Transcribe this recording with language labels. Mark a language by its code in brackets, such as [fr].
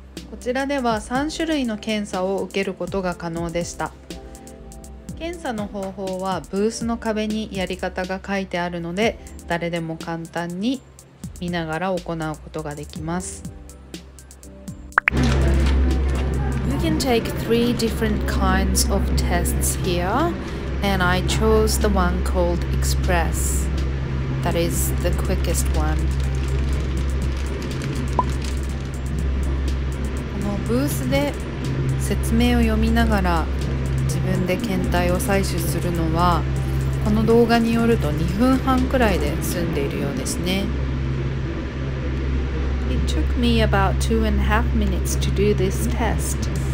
[ja] こちらでは3種類の検査を受けることが可能でした。検査の方法はブースの壁にやり方が書いてあるので、誰でも簡単に見ながら行うことができます。 [en] You can take three different kinds of tests here, and I chose the one called Express. That is the quickest one. [ja] このブースで説明を読みながら自分で検体を採取するのは、この動画によると2分半くらいで済んでいるようですね。 [en] It took me about 2.5 minutes to do this test.